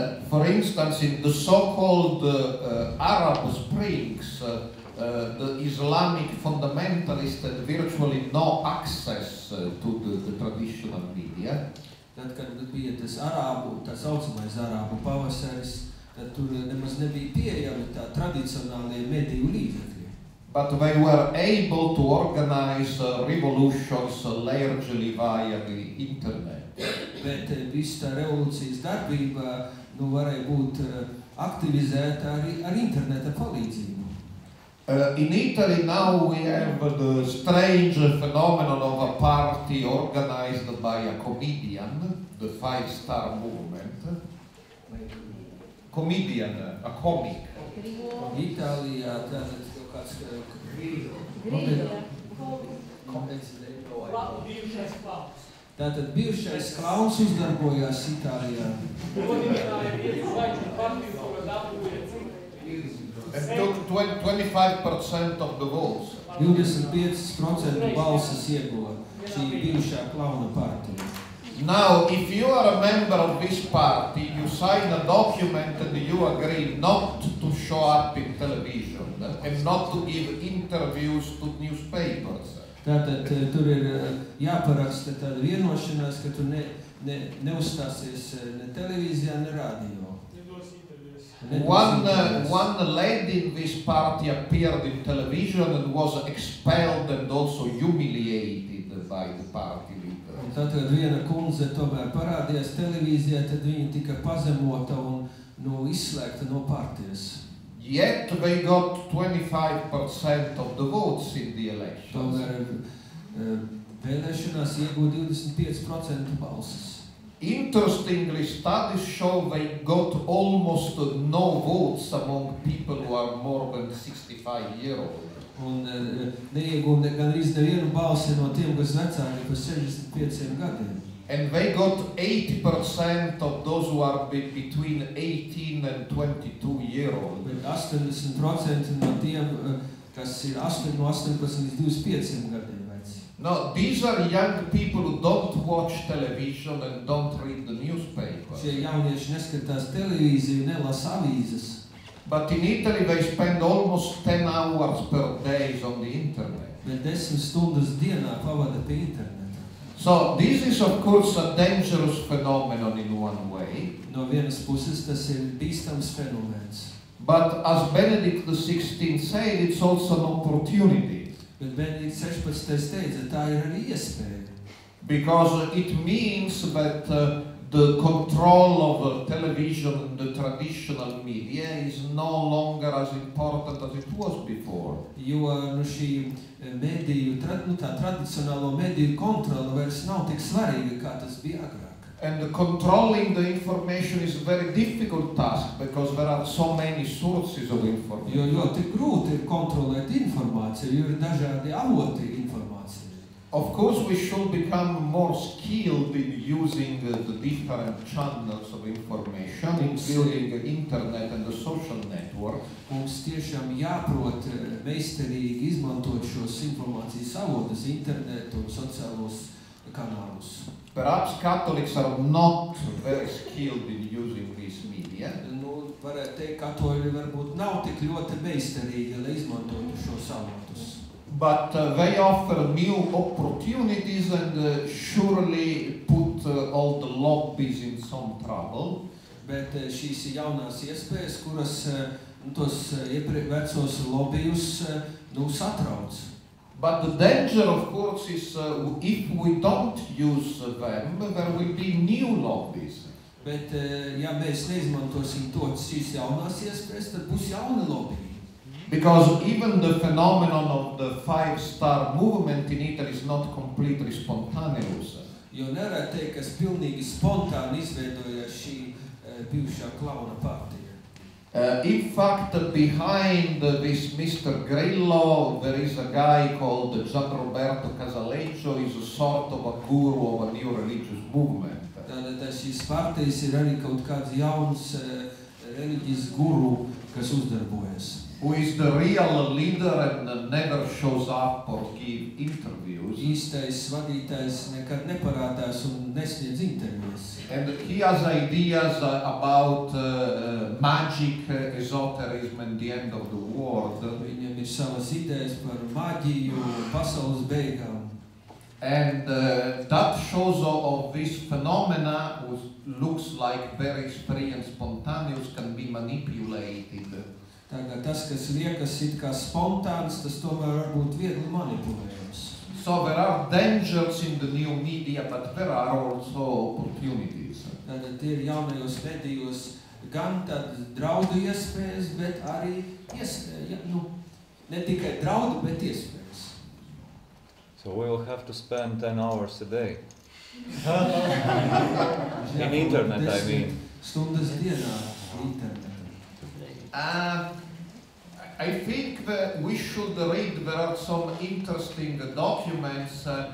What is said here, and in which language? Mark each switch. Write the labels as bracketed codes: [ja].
[en] For instance, in the so-called Arab Springs, the Islamic fundamentalists had virtually no access to the traditional media. [lv] Tad, kad bija tas arābu, tā saucamais arābu pavasaris, tad tur nemaz nebija pieejami tā tradicionālajie mediju līdzekļi. [en] But they were able to organize revolutions largely via the internet. [lv] Bet visa tā revolūcijas darbība nu varēja būt aktivizēta arī ar interneta palīdzību. [en] In Italy now we have the strange phenomenon of a party organized by a comedian, the Five Star Movement. Comedian, a comic. In Italy, that is Grillo. Grillo. Comics. Comics. Comics. Comics. Comics. Comics. Comics. Comics. Comics. Comics. Comics. Comics. Comics. Comics. And 25% of the votes. [lv] 25% [en] of [lv] balsas ieguva šī bijušā klauna partija. [en] Now, if you are a member of this party, you sign a document and you agree not to show up in television and not to give interviews to newspapers. [lv] Tātad tur ir jāparaksta tāda vienošanās, ka tu neuzstāsies ne televīzijā, ne radio. [en] One lady in this party appeared in television and was expelled and also humiliated by the party leader. [lv] Un tad, kad viena kundze tomēr parādījās televīzijā, tad viņa tika pazemota un nu, izslēgta no partijas. [en] Yet they got 25% of the votes in the elections. [lv] Tomēr vēlēšanās iegūt 25% balsas. [en] Interestingly, studies show they got almost no votes among people who are more than 65 years old. [lv] Un neiegūt gandrīz nevienu balsi no tiem, kas vecāki par 65 gadiem. [en] And they got 80% of those who are between 18 and 22 years old. [lv] Bet 80% no tiem, kas ir 18-25 gadiem. [en] No, these are young people who don't watch television and don't read the newspaper. [lv] Šie jaunieši neskatās televīziju, nelas avīzes. [en] But in Italy they spend almost 10 hours per day on the internet. [lv] Bet 10 stundas dienā pavada pie interneta. [en] So, this is of course a dangerous phenomenon in one way. [lv] No vienas puses tas ir bīstams fenomens. [en] But as Benedict XVI said, it's also an opportunity. [lv] Bet Benedikts 16. Teica, tā ir arī iespēja. [en] Because it means that the control of the television and the traditional media is no longer as important as it was before. [lv] Jo nu šī mediju, nu tā tradicionālo mediju kontrola vairs nav tik svarīga, kā tas bija agrāk. [en] And controlling the information is a very difficult task because there are so many sources of information. [lv] Jo ļoti grūti ir kontrolēt informāciju, jo ir dažādi avoti informācijas. [en] Of course we should become more skilled in using the different channels of information, including internet and the social network. [lv] Mums tiešām jāprot meisterīgi izmantot šos informācijas avotus, internetu un sociālos kanālus. [en] Perhaps Catholics are not very skilled in using this media. [lv] Nu, varētu teikt, katoļi varbūt nav tik ļoti meisterīgi, lai izmantotu šos avotus. [en] But they offer new opportunities and surely put all the lobbies in some trouble. [lv] Bet šīs jaunās iespējas, kuras tos vecos lobijus nu, satrauc. [en] But the danger, of course, is if we don't use them, there will be new lobbies. [lv] Bet ja mēs neizmantosim tos šīs jaunās iespējas, tad būs jauni lobby. [en] Because even the phenomenon of the five-star movement in Italy is not completely spontaneous. [lv] Jo nevarētu teikt, kas pilnīgi spontāni izveidoja šī bijušā klauna partija. [en] In fact, behind this Mr. Grillo, there is a guy called Gianroberto Casaleggio, is a sort of a guru of a new religious movement. [lv] Tātad šīs partijas ir arī kaut kāds jauns religijas guru, kas uzdarbojas. [en] Who is the real leader and never shows up or give interviews. [lv] Īstais vadītājs nekad neparādās un nesniedz intervijas. [en] And he has ideas about magic, esoterism and the end of the world. [lv] Viņam ir savas idejas par mādiju pasaules beigām. [en] And that shows of this phenomena which looks like very free and spontaneous can be manipulated. [lv] Tagad tas, kas liekas it kā spontāns, tas tomēr varbūt viegli manipulējams. [en] So there are dangers in the new media, but there are also opportunities. [lv] Tātad tie ir jaunajos medijos gan tad draudu iespējas, bet arī iespējas, ne tikai draudu, bet iespējas. [en] So we'll have to spend 10 hours a day. In internet, I mean. [lv] Stundas dienā internet. [en] I think that we should read, there are some interesting documents.